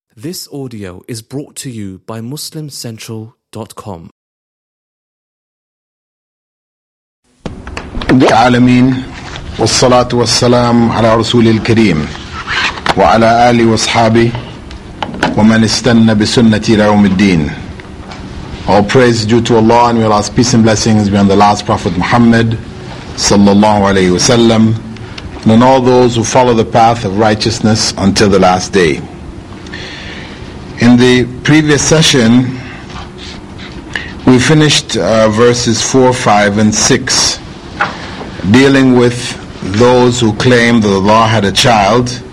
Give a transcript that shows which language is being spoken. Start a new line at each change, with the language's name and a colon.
English: This audio is brought to you by MuslimCentral.com.
Arabic: العالمين والصلاة والسلام على رسول الكريم وعلى آله وصحابه ومن استنى بسنة يوم الدين.
English: All praise due to Allah and we ask peace and blessings be on the last Prophet Muhammad sallallahu alayhi wa sallam and on all those who follow the path of righteousness until the last day. In the previous session, we finished verses 4, 5, and 6, dealing with those who claim that Allah had a child,